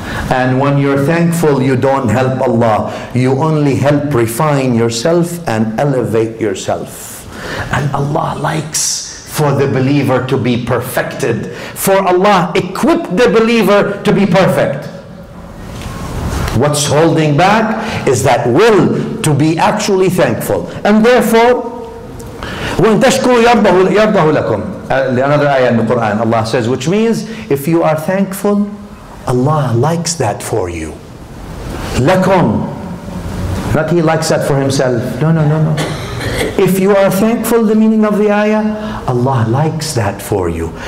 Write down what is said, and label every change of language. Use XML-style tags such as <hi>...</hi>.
<en>And when you're thankful, you don't help Allah. You only help refine yourself and elevate yourself. And Allah likes for the believer to be perfected. For Allah equipped the believer to be perfect. What's holding back is that will to be actually thankful. And therefore,</en> <ar>وَإِن تَشْكُرُوا يَرْضَهُ لَكُمْ.</ar> <en>Another ayah in the Quran, Allah says, which means, if you are thankful, Allah likes that for you.</en> <ar>لَكُمْ.</ar> <en>Not He likes that for Himself. No. If you are thankful, the meaning of the ayah, Allah likes that for you.</en>